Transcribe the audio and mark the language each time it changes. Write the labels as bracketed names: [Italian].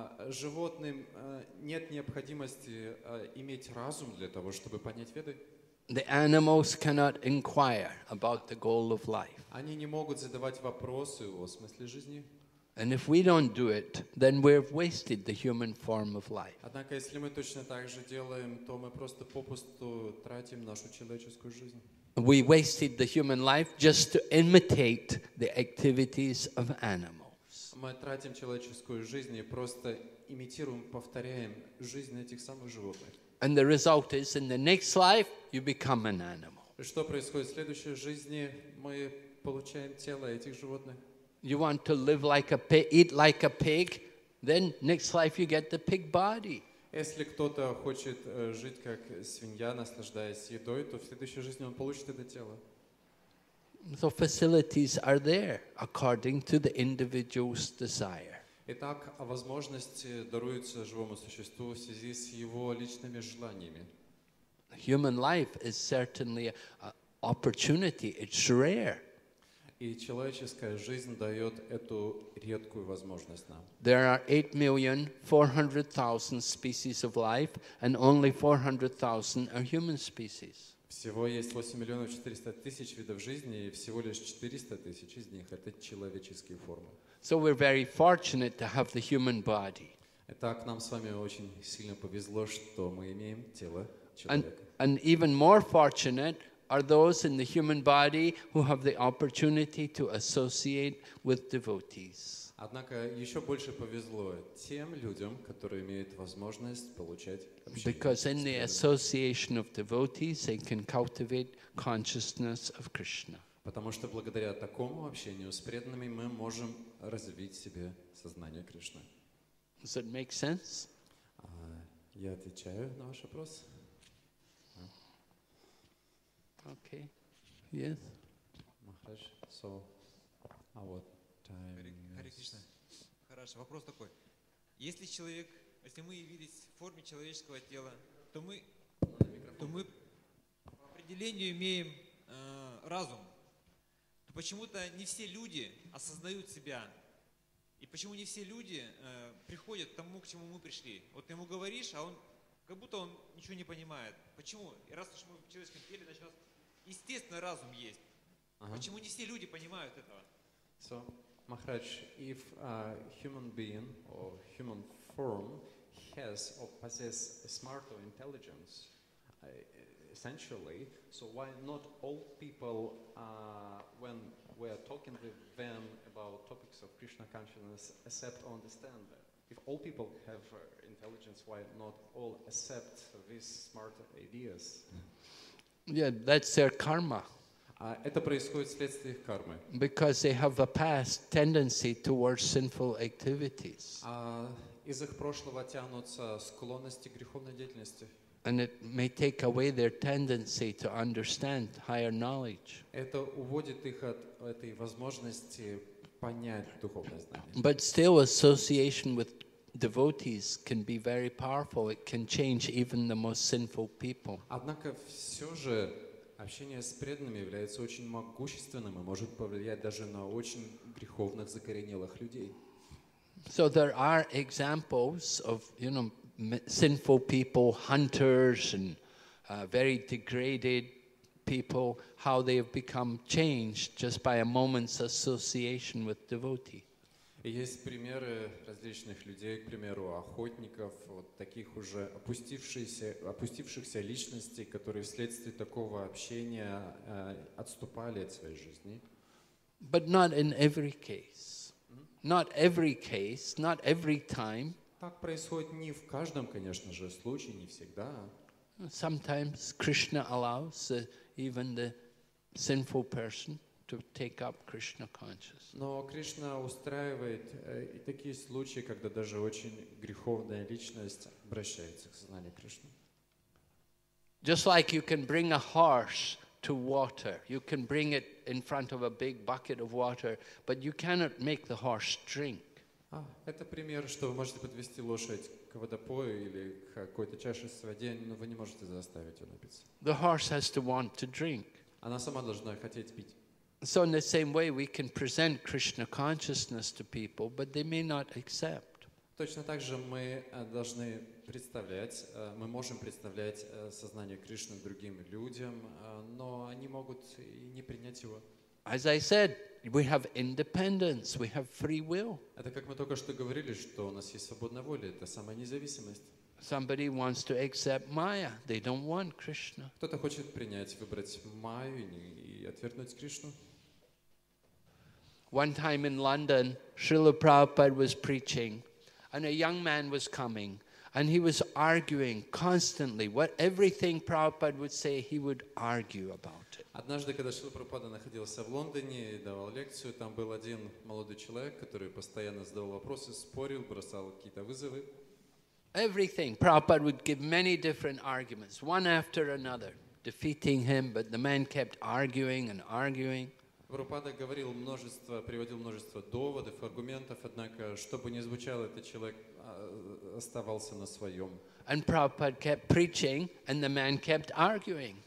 [Russian] Животным нет необходимости иметь разум для того, чтобы понять Веды. [English] The animals cannot inquire about the goal of life. [Russian] Они не могут задавать вопросы о смысле жизни. [English] And if we don't do it, then we've wasted the human form of life. [Russian] Однако, если мы точно так же делаем, то мы просто попусту тратим нашу человеческую жизнь. [English] We wasted the human life just to imitate the activities of animals. [Russian] Мы тратим человеческую жизнь и просто имитируем, повторяем жизнь этих самых животных. [English] And the result is, in the next life, you become an animal. [Russian] Что происходит в следующей жизни? Мы получаем тело этих животных. [English] You want to live like a pig, eat like a pig, then next life you get the pig body. [Russian] Если кто-то хочет жить как свинья, наслаждаясь едой, то в следующей жизни он получит это тело. [English] So facilities are there according to the individual's desire. [Russian] Итак, возможности даруются живому существу в связи с его личными желаниями. [English] Human life is certainly an opportunity. It's rare. [Russian] И человеческая жизнь дает эту редкую возможность нам. [English] There are 8,400,000 species of life, and only 400,000 are human species. [Russian] Всего есть 8,400,000 видов жизни, и всего лишь 400,000 из них это человеческие формы. [English] So we're very fortunate to have the human body. [Russian] Итак, нам с вами очень сильно повезло, что мы имеем тело человека. [English] And even more fortunate are those in the human body who have the opportunity to associate with devotees. [Russian] Однако еще больше повезло тем людям, которые имеют возможность получать общение. [English] Because in the association of devotees, they can cultivate consciousness of Krishna. [Russian] Потому что благодаря такому общению с преданными мы можем развить в себе сознание Кришны. [English] Does that make sense? [Russian] Я отвечаю на ваш вопрос. [English] Okay. Yes. [Russian] Махарадж, so, а вот time. Хари Кришна. Хорошо. Вопрос такой: если человек, если мы явились в форме человеческого тела, то мы по определению имеем разум. То почему-то не все люди осознают себя, и почему не все люди приходят к тому, к чему мы пришли? Вот ты ему говоришь, а он как будто он ничего не понимает. Почему? И раз уж мы в человеческом теле, значит, естественно, разум есть. Uh-huh. Почему не все люди понимают этого? [English] So, Maharaj, if a human being or human form has or possess a smart or intelligence, essentially, so why not all people, when we are talking with them about topics of Krishna consciousness, accept or understand that? If all people have intelligence, why not all accept these smart ideas? Yeah, that's their karma. [Russian] Это происходит вследствие их кармы. [English] Because they have a past tendency towards sinful activities. [Russian] Из их прошлого тянутся склонности к греховной деятельности. [English] And it may take away their tendency to understand higher knowledge. Это уводит их от этой возможности понять духовное знание. But still, association with devotees can be very powerful. It can change even the most sinful people. [Russian] Однако все же общение с преданными является очень могущественным и может повлиять даже на очень греховных закоренелых людей. [English] So there are examples of, you know, sinful people, hunters and very degraded people, how they have become changed just by a moment's association with devotees. [Russian] Есть примеры различных людей, к примеру, охотников, вот таких уже опустившихся личностей, которые вследствие такого общения отступали от своей жизни. [English] But not in every case. Not every case, not every time. [Russian] Так происходит не в каждом, конечно же, случае, не всегда. [English] Sometimes Krishna allows even the sinful person to take up Krishna consciousness. [Russian] Но Кришна устраивает такие случаи, когда даже очень греховная личность обращается к сознанию Кришны. [English] Just like you can bring a horse to water, you can bring it in front of a big bucket of water, but you cannot make the horse drink. [Russian] Это пример, что вы можете подвести лошадь к водопою или к какой-то чаше с водой, но вы не можете заставить ее напиться. [English] The horse has to want to drink. [Russian] Она сама должна хотеть пить. [English] So in the same way, we can present Krishna consciousness to people, but they may not accept. [Russian] Точно так же мы должны представлять, мы можем представлять сознание Кришны другим людям, но они могут и не принять его. [English] As I said, we have independence, we have free will. [Russian] Это как мы только что говорили, что у нас есть свободная воля, это самая независимость. [English] Somebody wants to accept Maya. They don't want Krishna. [Russian] Кто-то хочет принять, выбрать Майю и отвергнуть Кришну. [English] One time in London, Srila Prabhupada was preaching, and a young man was coming, and he was arguing constantly. What everything Prabhupada would say, he would argue about it. [Russian] Однажды, когда Шрила Прабхупада находился в Лондоне и давал лекцию, там был один молодой человек, который постоянно задавал вопросы, спорил, бросал какие-то вызовы. [English] Everything. Prabhupada would give many different arguments, one after another, defeating him, but the man kept arguing and arguing. [Russian] Prabhupada говорил множество, приводил множество доводов, аргументов, однако, чтобы не звучало, этот человек оставался на своем. [English] And Prabhupada kept preaching, and the man kept arguing.